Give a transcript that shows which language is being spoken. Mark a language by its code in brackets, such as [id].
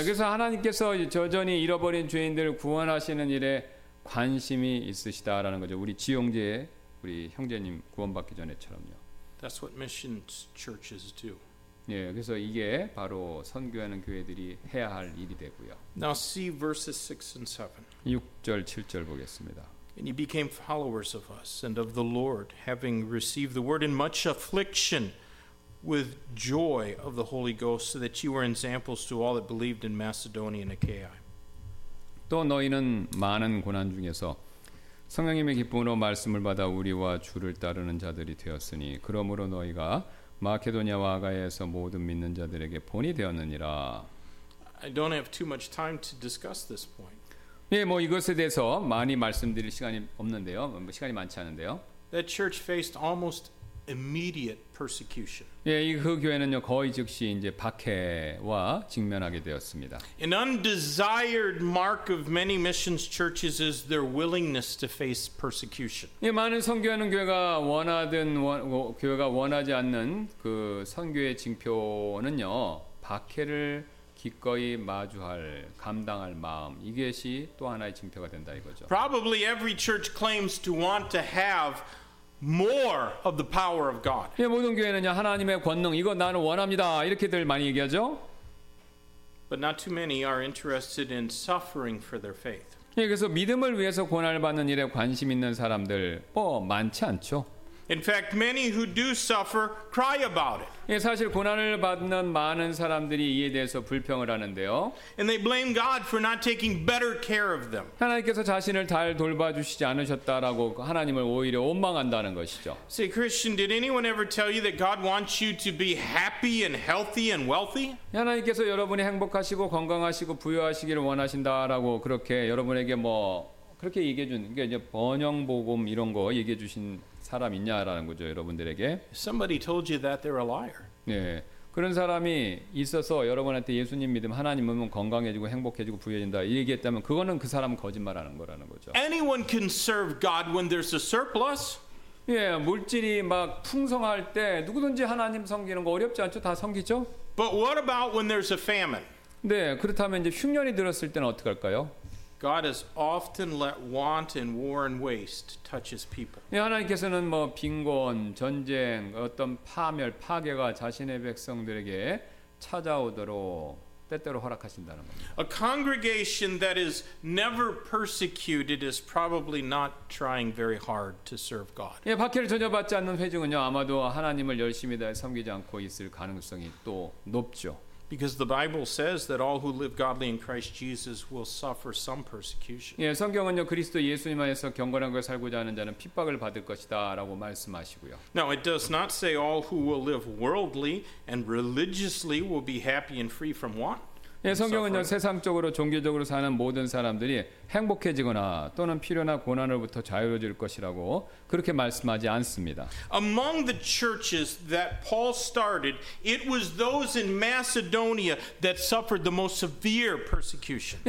[ko] 예, 그래서 하나님께서 여전히 잃어버린 죄인들을 구원하시는 일에 관심이 있으시다라는 거죠. 우리 지용재 우리 형제님 구원받기 전에처럼요. [en] That's what missions churches do. [ko] 예, 그래서 이게 바로 선교하는 교회들이 해야 할 일이 되고요. [en] Now see verses 6 and 7. [ko] 6절, 7절 보겠습니다. [en] And he became followers of us and of the Lord, having received the word in much affliction with joy of the Holy Ghost, so that you were examples to all that believed in Macedonia and Achaia. [ko] 또 너희는 많은 고난 중에서 성령님의 기쁨으로 말씀을 받아 우리와 주를 따르는 자들이 되었으니 그러므로 너희가 마케도니아와 아가야에서 모든 믿는 자들에게 본이 되었느니라. [en] I don't have too much time to discuss this point. [ko] 예, 뭐 이것에 대해서 많이 말씀드릴 시간이 없는데요. 뭐 시간이 많지 않은데요. [en] That church faced almost immediate persecution. [ko] 예, 그 교회는요 거의 즉시 이제 박해와 직면하게 되었습니다. [en] An undesired mark of many missions churches is their willingness to face persecution. [ko] 예, 많은 선교하는 교회가 원하든 교회가 원하지 않는 그 선교의 징표는요 박해를 기꺼이 마주할 감당할 마음, 이것이 또 하나의 징표가 된다 이거죠. [en] Probably every church claims to want to have more of the power of God. [ko] 예, 모든 교회는요 하나님의 권능 이거 나는 원합니다 이렇게들 많이 얘기하죠. [en] But not too many are interested in suffering for their faith. [ko] 예, 그래서 믿음을 위해서 고난을 받는 일에 관심 있는 사람들 뭐 많지 않죠. [en] In fact, many who do suffer cry about it. [ko] 예, 사실 고난을 받는 많은 사람들이 이에 대해서 불평을 하는데요. [en] And they blame God for not taking better care of them. [ko] 하나님께서 자신을 잘 돌봐주시지 않으셨다라고 하나님을 오히려 원망한다는 것이죠. [en] See, Christian, did anyone ever tell you that God wants you to be happy and healthy and wealthy? [ko] 하나님께서 여러분이 행복하시고 건강하시고 부유하시기를 원하신다라고 그렇게 여러분에게 뭐 그렇게 얘기해 주는 게 이제 번영 복음 이런 거 얘기해 주신 사람 있냐라는 거죠, 여러분들에게. [en] Somebody told you that they're a liar. [ko] 네, 그런 사람이 있어서 여러분한테 예수님 믿음 하나님 보면 건강해지고 행복해지고 부유해진다 얘기했다면 그거는 그 사람 거짓말하는 거라는 거죠. [en] Anyone can serve God when there's a surplus. [ko] 예, 물질이 막 풍성할 때 누구든지 하나님 섬기는 거 어렵지 않죠? 다 섬기죠? [en] But what about when there's a famine? [ko] 네, 그렇다면 이제 흉년이 들었을 때는 어떡할까요? [en] God has often let want and war and waste touch His people. [ko] 예, 하나님께서는 뭐 빈곤, 전쟁, 어떤 파멸, 파괴가 자신의 백성들에게 찾아오도록 때때로 허락하신다는 겁니다. [en] A congregation that is never persecuted is probably not trying very hard to serve God. [ko] 예, 박해를 전혀 받지 않는 회중은요, 아마도 하나님을 열심히 잘 섬기지 않고 있을 가능성이 또 높죠. [en] Because the Bible says that all who live godly in Christ Jesus will suffer some persecution. [ko] 예, 성경은요 그리스도 예수님 안에서 경건한 것을 살고자 하는 자는 핍박을 받을 것이다라고 말씀하시고요. [en] Now it does not say all who will live worldly and religiously will be happy and free from want. [ko] 예, 성경은요 세상적으로 종교적으로 사는 모든 사람들이 행복해지거나 또는 필요나 고난으로부터 자유로워질 것이라고 그렇게 말씀하지 않습니다. [en] Among the churches that Paul started, it was those in Macedonia that suffered the most severe persecution.